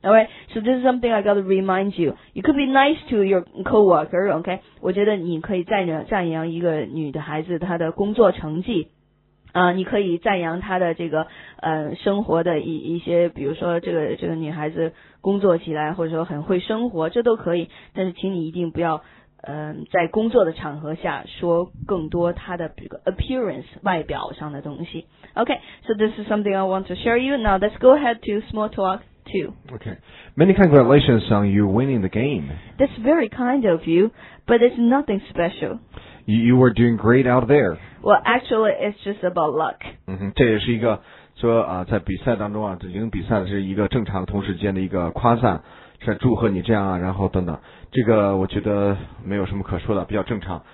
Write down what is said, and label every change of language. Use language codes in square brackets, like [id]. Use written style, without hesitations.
[en] Alright, so this is something I gotta remind you. You could be nice to your coworker, OK? [zh] 我觉得你可以赞扬一个女的孩子她的工作成绩，你可以赞扬她的这个生活的一些，比如说这个女孩子工作起来或者说很会生活，这都可以。但是请你一定不要在工作的场合下说更多他的这个 appearance 外表上的东西。 [en] OK, so this is something I want to share you. Now let's go ahead to small talk too. OK, many congratulations on you winning the game. That's very kind of you, but it's nothing special. You were doing great out there. Well, actually, it's just about luck. [zh] 这也是一个说在比赛当中啊，赢比赛的是一个正常同事间的一个夸赞，是祝贺你这样啊，然后等等，这个我觉得没有什么可说的，比较正常。